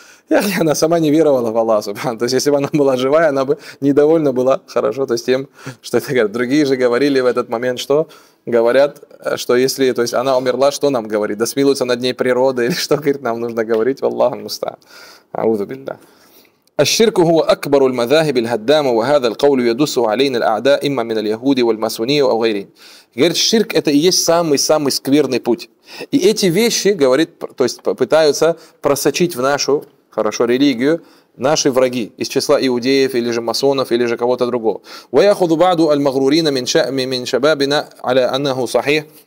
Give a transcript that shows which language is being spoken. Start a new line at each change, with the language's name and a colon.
Russian: И она сама не веровала в Аллах, субхан. То есть, если бы она была живая, она бы недовольна была хорошо, то есть, тем, что это говорят. Другие же говорили в этот момент, что говорят, что если, то есть, она умерла, что нам говорит? Да смилуются над ней природа, или что, говорит, нам нужно говорить в Аллах, муста. Аузу биллах.
Arabic: الشرك هو أكبر المذاهب الهدامة وهذا القول يدس علينا الأعداء إما من اليهود والماسونية أو غيرهم.
Russian: Говорит, ширк это и есть самый-самый скверный путь. И эти вещи, говорит, то есть пытаются просочить в нашу, хорошо, религию, наши враги из числа иудеев или же масонов или же кого-то другого.
Arabic: ويأخذ بعض المغرورين من شبابنا على أنه صحيح.